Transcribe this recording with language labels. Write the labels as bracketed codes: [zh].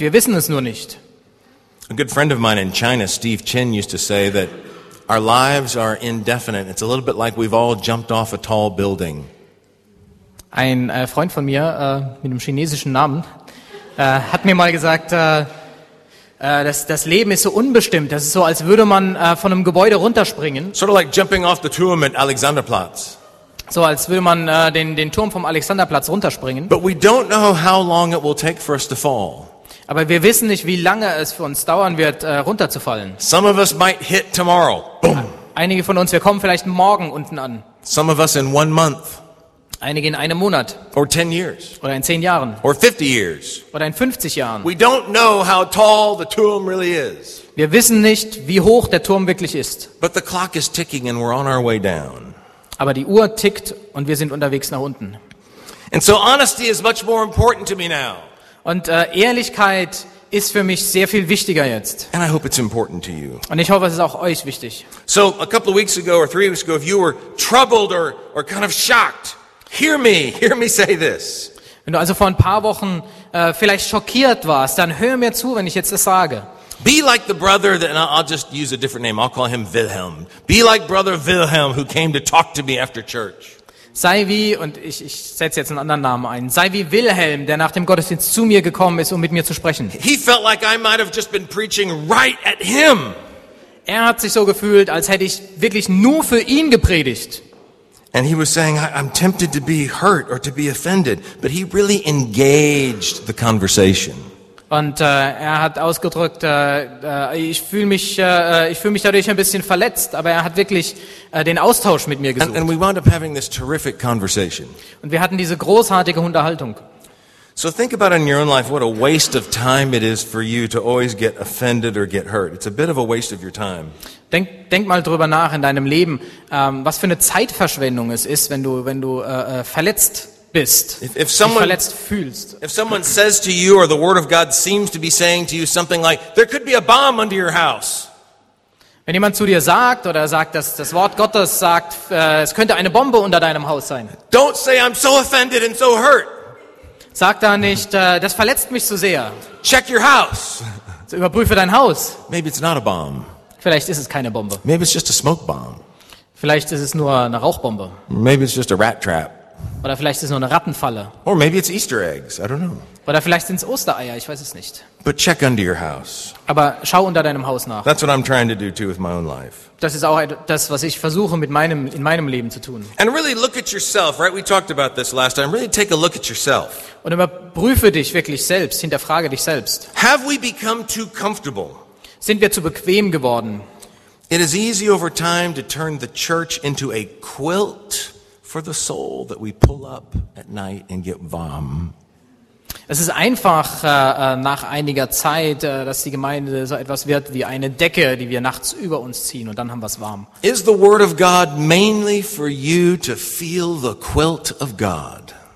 [de] Wir wissen es nur nicht. [en] A good friend of mine in China, Steve Chin, used to say that our lives are indefinite. It's a little bit like we've all jumped off a tall building. [de] Ein Freund von mir mit einem chinesischen Namen hat mir mal gesagt, das Leben ist so unbestimmt. Das ist so, als würde man von einem Gebäude runterspringen. [en] Sort of like jumping off the Turm at Alexanderplatz. [de] So als würde man den Turm vom Alexanderplatz runterspringen. [en] But we don't know how long it will take for us to fall. [de] Aber wir wissen nicht, wie lange es für uns dauern wird, runterzufallen. [en] Some of us might hit tomorrow. Boom. [de] Einige von uns, wir kommen vielleicht morgen unten an. [en] Some of us in 1 month. [de] Einige in einem Monat. [en] Or 10 years. [de] Oder in 10 Jahren. [en] Or 50 years. [de] Oder in 50 Jahren. [en] We don't know how tall the tomb really is. [de] Wir wissen nicht, wie hoch der Turm wirklich ist. [en] But the clock is ticking and we're on our way down. [de] Aber die Uhr tickt und wir sind unterwegs nach unten. [en] And so honesty is much more important to me now. [de] Und Ehrlichkeit ist für mich sehr viel wichtiger jetzt. [en] And I hope it's important to you. [de] Und ich hoffe, es ist auch euch wichtig. [en] So a couple of weeks ago or 3 weeks ago, if you were troubled or kind of shocked, hear me say this. [de] Wenn du also vor ein paar Wochen vielleicht schockiert warst, dann hör mir zu, wenn ich jetzt das sage. [en] Be like the brother that, and I'll just use a different name. I'll call him Wilhelm. Be like brother Wilhelm who came to talk to me after church. [de] Sei wie, und ich setze jetzt einen anderen Namen ein. Sei wie Wilhelm, der nach dem Gottesdienst zu mir gekommen ist, um mit mir zu sprechen. [en] He felt like I might have just been preaching right at him. [de] Er hat sich so gefühlt, als hätte ich wirklich nur für ihn gepredigt. [en] And he was saying, I'm tempted to be hurt or to be offended, but he really engaged the conversation. [de] Und er hat ausgedrückt, ich fühl mich dadurch ein bisschen verletzt, aber er hat wirklich den Austausch mit mir gesucht. [en] And we wound up having this terrific conversation. [de] Und wir hatten diese großartige Unterhaltung. [en] So think about in your own life what a waste of time it is for you to always get offended or get hurt. It's a bit of a waste of your time. [de] Denk mal drüber nach in deinem Leben, was für eine Zeitverschwendung es ist, wenn du verletzt bist, [en] if someone, [de] verletzt fühlst. [en] If someone says to you or the word of God seems to be saying to you something like there could be a bomb under your house. [de] Wenn jemand zu dir sagt oder sagt, dass das Wort Gottes sagt, es könnte eine Bombe unter deinem Haus sein. [en] Don't say I'm so offended and so hurt. [de] Sag da nicht, das verletzt mich so sehr. [en] Check your house. [de] So, überprüfe dein Haus. [en] Maybe it's not a bomb. [de] Vielleicht ist es keine Bombe. [en] Maybe it's just a smoke bomb. [de] Vielleicht ist es nur eine Rauchbombe. [en] Maybe it's just a rat trap. [de] Oder vielleicht ist es nur eine Rattenfalle. [en] Or maybe it's Easter eggs. I don't know. [de] Oder vielleicht sind es Ostereier, ich weiß es nicht. [en] But check under your house. [de] Aber schau unter deinem Haus nach. [en] That's what I'm trying to do too with my own life. [de] Das ist auch das, was ich versuche in meinem Leben zu tun. [en] And really look at yourself, right? We talked about this last time. Really take a look at yourself. [de] Und überprüfe dich wirklich selbst, hinterfrage dich selbst. [en] Have we become too comfortable? [de] Sind wir zu bequem geworden? [en] It is easy over time to turn the church into a quilt for the soul that we pull up at night and get warm. [de] Es ist einfach nach einiger Zeit, dass die Gemeinde so etwas wird wie eine Decke, die wir nachts über uns ziehen und dann haben wir es warm. [en] Is the word of God mainly for you to feel the quilt of God?